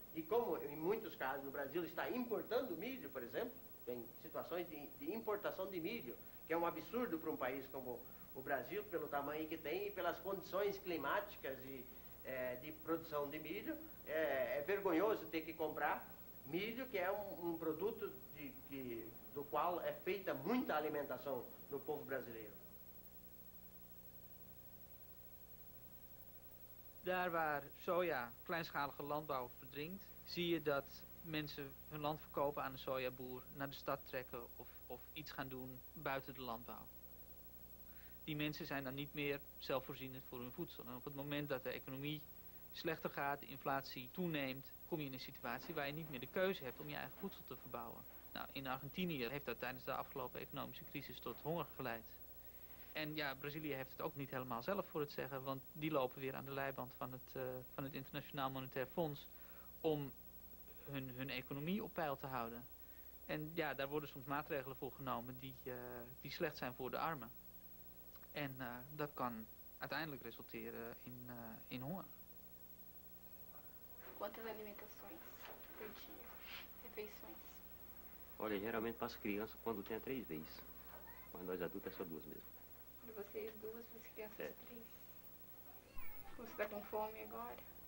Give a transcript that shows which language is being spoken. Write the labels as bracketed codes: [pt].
[pt] E como em muitos casos no Brasil está importando milho, por exemplo, tem situações de importação de milho, que é um absurdo para um país como o Brasil, pelo tamanho que tem e pelas condições climáticas de produção de milho, é vergonhoso ter que comprar milho, que é um produto do qual é feita muita alimentação do povo brasileiro. [nl] Daar waar soja, kleinschalige landbouw, verdringt, zie je dat mensen hun land verkopen aan een sojaboer, naar de stad trekken of iets gaan doen buiten de landbouw. Die mensen zijn dan niet meer zelfvoorzienend voor hun voedsel. En op het moment dat de economie slechter gaat, de inflatie toeneemt, kom je in een situatie waar je niet meer de keuze hebt om je eigen voedsel te verbouwen. Nou, in Argentinië heeft dat tijdens de afgelopen economische crisis tot honger geleid. En ja, Brazilië heeft het ook niet helemaal zelf voor het zeggen, want die lopen weer aan de leiband van het Internationaal Monetair Fonds om hun economie op peil te houden. En ja, daar worden soms maatregelen voor genomen die slecht zijn voor de armen. En dat kan uiteindelijk resulteren in honger. [pt] Quantas alimentações por dia? Refeições? Olha, geralmente para as crianças, quando tem 3 vezes. Mas nós adultos é só 2 mesmo. Vocês duas, para as crianças três. Você está com fome agora?